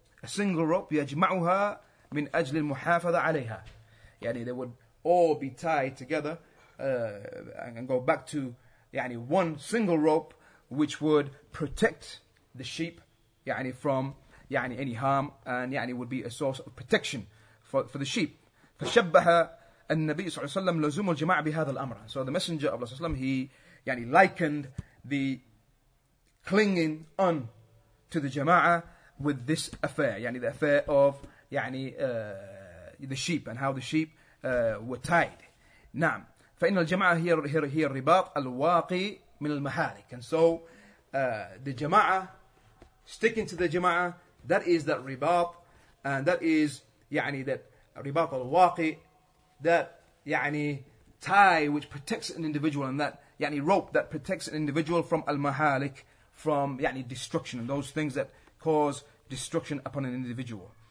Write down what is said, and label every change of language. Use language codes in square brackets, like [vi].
[en] A single rope, [ar] yajma'uha min ajlil muhafada alayha. [en] They would all be tied together and go back to يعني, one single rope which would protect the sheep يعني, from يعني, any harm and يعني, would be a source of protection for the sheep. [ar] فشبه النبي صلى الله عليه وسلم لزوم الجماعة بهذا الأمر. [en] So the messenger of Allah صلى الله عليه وسلم, he يعني, likened the clinging on to the jama'ah with this affair, يعني, the affair of يعني, the sheep and how the sheep were tied. [ar] نعم. فإن الجماعة هي الرباط الواقي من المحارك. [en] And so the jama'ah, sticking to the jama'ah, that is that rebaat, and that is يعني, that rebaat al-waqi, that يعني, tie which protects an individual, and that يعني, rope that protects an individual from al-mahalik, from يعني, destruction, and those things that cause destruction upon an individual.